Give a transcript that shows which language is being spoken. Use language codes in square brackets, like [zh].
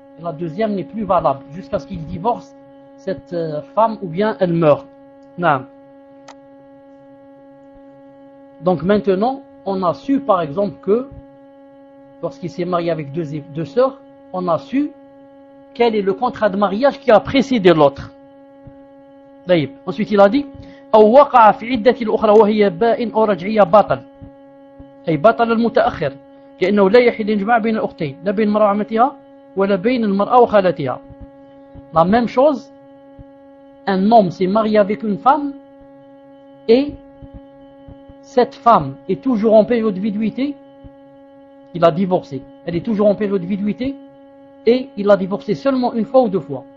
[fr] La deuxième n'est plus valable jusqu'à ce qu'il divorce cette femme ou bien elle meure. Naam. Donc maintenant, on a su par exemple que lorsqu'il s'est marié avec deux sœurs, on a su quel est le contrat de mariage qui a précédé l'autre. D'ailleurs, ensuite il a dit [ar] وَقَعَ فِي عِدَّةِ الْأُخْرَى وَهِيَ بَاءٍ أَوْ رَجْعِيَ بَاطَلٍ أي بطل المتأخر لأنه لا يحل الجماع بين الأختين لا بين المرأة وعمتها ولا بين المرأة وخالتها. [fr] La même chose, un homme s'est marié avec une femme et cette femme est toujours en période de viduité. Il a divorcé. Elle est toujours en période de viduité et il a divorcé seulement une fois ou deux fois.